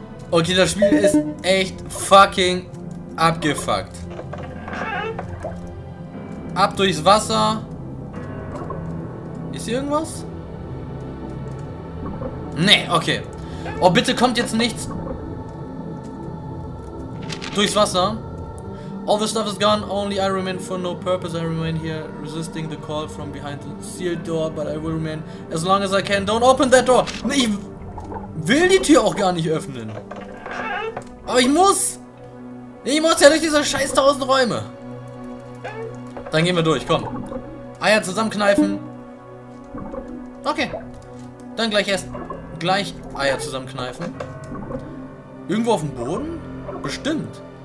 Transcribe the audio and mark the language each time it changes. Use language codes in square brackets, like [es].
[de] Okay, das Spiel ist echt fucking abgefuckt. Ab durchs Wasser. Ist hier irgendwas? Nee, okay. Oh, bitte kommt jetzt nichts. Durchs Wasser. [en] All the stuff is gone, only I remain for no purpose. I remain here, resisting the call from behind the sealed door, but I will remain as long as I can. Don't open that door! [de] Ich will die Tür auch gar nicht öffnen. Aber ich muss! Ich muss ja durch diese scheiß tausend Räume. Dann gehen wir durch, komm. Eier zusammenkneifen. Okay. Dann gleich erst gleich Eier zusammenkneifen. Irgendwo auf dem Boden? Bestimmt.